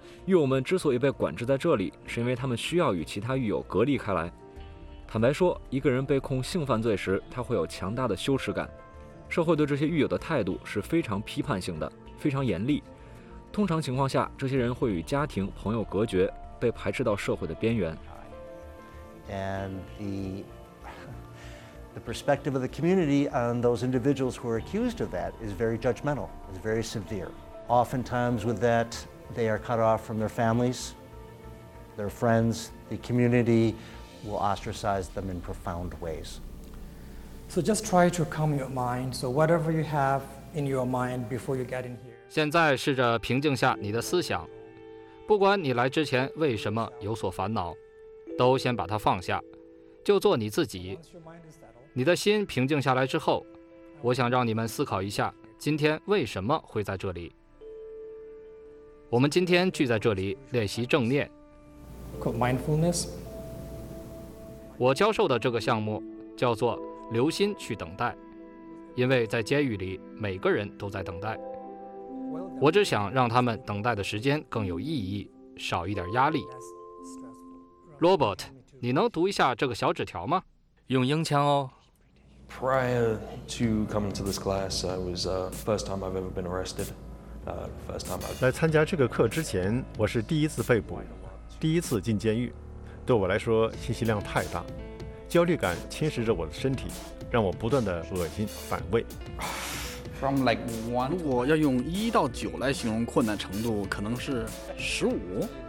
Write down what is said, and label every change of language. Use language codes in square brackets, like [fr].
[zh] 狱友们之所以被管制在这里，是因为他们需要与其他狱友隔离开来。坦白说，一个人被控性犯罪时，他会有强大的羞耻感。社会对这些狱友的态度是非常批判性的，非常严厉。通常情况下，这些人会与家庭、朋友隔绝，被排斥到社会的边缘。 [en] The perspective of the community on those individuals who are accused of that is very judgmental, is very severe. Oftentimes with that, they are cut off from their families, their friends, the community will ostracize them in profound ways. So just try to calm your mind. So whatever you have in your mind before you get in here. [zh] 现在试着平静下你的思想。不管你来之前为什么有所烦恼，都先把它放下，就做你自己。你的心平静下来之后，我想让你们思考一下今天为什么会在这里。我们今天聚在这里练习正念。我教授的这个项目叫做留心去等待，因为在监狱里每个人都在等待，我只想让他们等待的时间更有意义，少一点压力。 Robert， 你能读一下这个小纸条吗？用英腔哦。 [en] Prior to coming to this class, I was first time I've ever been arrested. First time I've [zh] 来参加这个课之前，我是第一次被捕，第一次进监狱。对我来说，信息量太大，焦虑感侵蚀着我的身体，让我不断的恶心反胃。 [en] From like one， [zh] 如果要用一到九来形容困难程度，可能是十五。